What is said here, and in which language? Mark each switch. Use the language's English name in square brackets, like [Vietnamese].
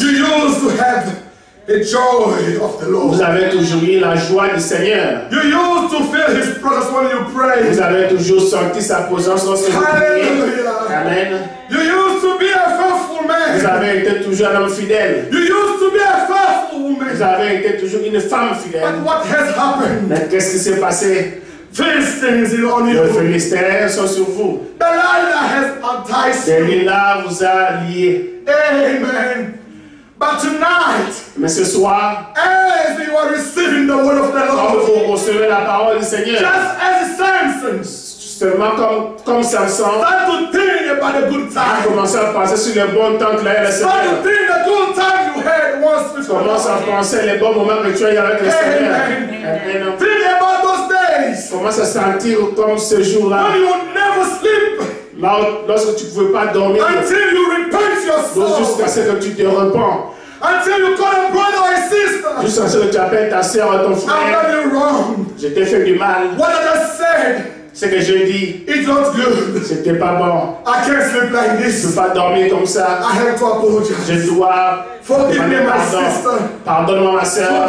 [English] You used to have the joy of the Lord. [French] Vous avez toujours eu la joie du Seigneur. [English] You used to feel His presence when you pray. [French] Vous avez toujours senti sa présence lorsque vous priez. [English] Hallelujah. [French] Amen. [English] You used to be a faithful man. [French] Vous avez été toujours un homme fidèle. [English] You used to be a faithful woman. [French] Vous avez été toujours une femme fidèle. [English] But what has happened? [French] Mais qu'est-ce qui s'est passé? [English] Philistines are on you. [French] Les Philistins sont sur vous. [English] Delilah has enticed you. [French] Delilah vous a lié. [English] Amen. But tonight, [French] mais ce soir, [English] as you are receiving the word of the Lord, [French] vous recevez la parole du Seigneur, [English] just as Samson, [French] seulement comme Samson, [English] start to think about the good times. [French] Commence à penser sur les bons temps que l'Éternel. [English] Start to think the good times you had once before. [French] Commence à penser les bons moments que tu as eu avec le Seigneur. [English] Amen. Think about those days. [French] Commence à sentir comme ces jours-là. [English] When you never sleep. [French] Là, lorsque tu ne pouvais pas dormir, [English] until you repent yourself, [French] jusqu'à ce que tu te repens, [English] until you call a brother or a sister, [French] jusqu'à ce que tu appelles ta sœur ou ton frère, [English] I've done you wrong. [French] Je t'ai fait du mal. [English] What I just said, [French] ce que j'ai dit, [English] it's not good. [French] C'était pas bon. [English] I can't sleep like this. [French] Je ne peux pas dormir comme ça. [English] I have to apologize. [French] Je dois. [English] Forgive me, my sister. [French] Pardonne-moi, ma sœur.